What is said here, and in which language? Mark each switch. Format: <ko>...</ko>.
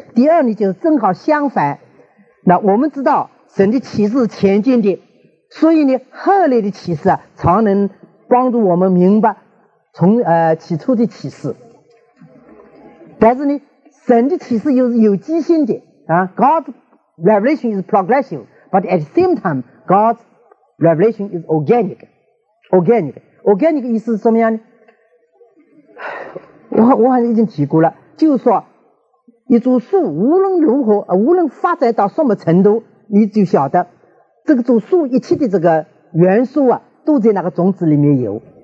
<zh>第二呢，就是正好相反。那我们知道神的启示是前进的，所以呢，后来的启示啊，常能帮助我们明白从起初的启示。但是呢，神的启示又是有机性的啊 ，God。</zh> <en>Revelation is progressive, but at the same time, God's revelation is organic. Organic.</en> <zh>Organic 意思是什么样呢？我好像已经提过了，就是说一株树无论如何，无论发展到什么程度，你就晓得这个株树一切的这个元素啊，都在那个种子里面有。</zh>